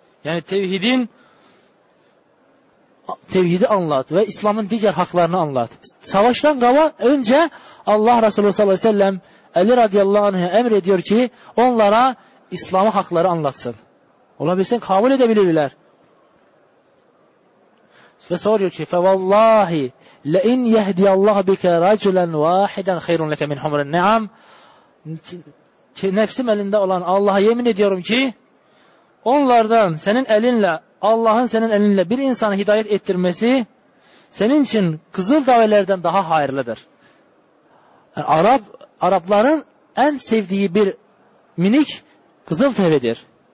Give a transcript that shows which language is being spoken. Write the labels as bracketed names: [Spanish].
[Turkish] Yani tevhidi anlat ve İslam'ın diğer haklarını anlat. Savaştan kala önce Allah Resulü sallallahu aleyhi ve sellem Ali radıyallahu anh'a emrediyor ki onlara İslam'ı hakları anlatsın. Olabilsin kabul edebilirler. Ve soruyor ki fevallahi [Arabic] لَاِنْ يَهْدِيَ اللّٰهُ بِكَ رَجُلًا وَاحِدًا خَيْرٌ لَكَ مِنْ حُمْرِ النَّعَمِ [Turkish] nefsim elinde olan Allah'a yemin ediyorum ki onlardan senin elinle, Allah'ın senin elinle bir insanı hidayet ettirmesi senin için kızıldavelerden daha hayırlıdır. Yani Arapların en sevdiği bir minik kızıl devedir.